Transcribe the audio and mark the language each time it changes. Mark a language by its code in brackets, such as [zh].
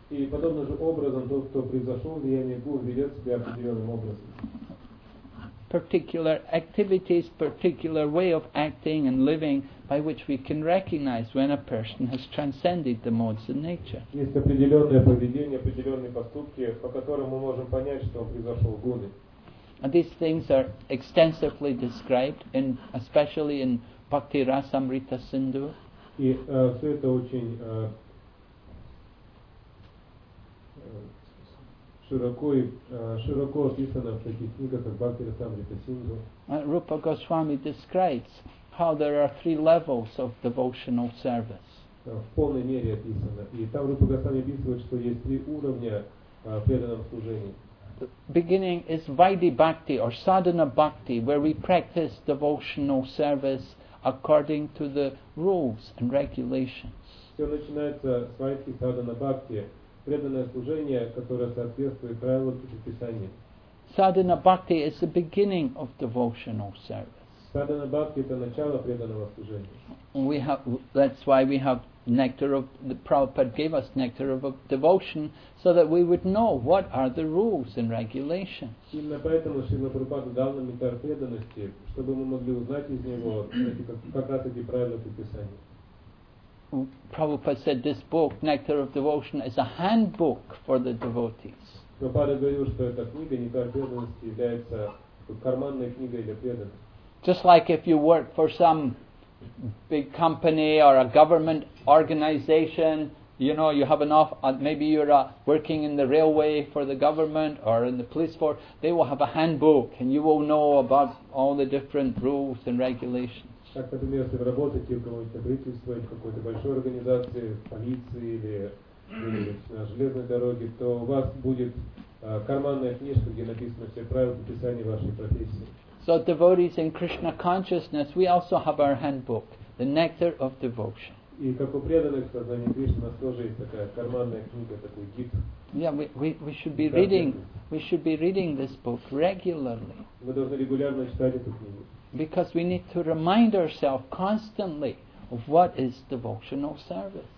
[ru] И подобным же образом тот, кто произошел влияние гун, ведет себя определенным образом. [en] Particular activities, particular way of acting and living by which we can recognize when a person has transcended the modes of nature. [ru] Есть определенное поведение, определенные поступки, по которым мы можем понять, что он произошел гун. [en] And these things are extensively described, especially in Bhakti Rasamrita Sindhu. [ru] И все это очень широко описано в таких книгах, как Бхакти Расамрита Синдху. [en] Rupa Goswami describes how there are three levels of devotional service. [ru] В полной мере описано. И там Rupa Goswami описывает, что есть три уровня преданного служения. [en] The beginning is Vaidhi Bhakti or Sadhana Bhakti, where we practice devotional service according to the rules and regulations. [ru] Все начинается с Vaidhi Sadhana Bhakti, преданное служение, которое соответствует правилам предписания. [en] Sadhana Bhakti is the beginning of devotional service. [ru] Sadhana Bhakti – это начало преданного служения. [en] That's why we have nectar of the Prabhupada gave us nectar of devotion so that we would know what are the rules and regulations. [ru] Именно поэтому Шрила Прабхупада дал нам нектар преданности, чтобы мы могли узнать из него как раз эти правила предписания. [en] Prabhupada said this book, Nectar of Devotion, is a handbook for the devotees. [ru] Prabhupada говорил, что эта книга нектар преданности является карманной книгой для преданных. [en] Just like if you work for some big company or a government organization, you know, you have maybe you're working in the railway for the government or in the police force, they will have a handbook and you will know about all the different rules and regulations. [ru] Так, например, если вы работаете в каком-то правительстве, в какой-то большой организации, в полиции или на железной дороге, то у вас будет карманная книжка, где написано все правила описания вашей профессии. [en] So devotees in Krishna consciousness, we also have our handbook, the Nectar of Devotion. [ru] И как у преданных сознания Кришны у нас тоже есть такая карманная книга, такой гид. [en] We should be reading this book regularly. [ru] Мы должны регулярно читать эту книгу. [en] Because we need to remind ourselves constantly of what is devotional service.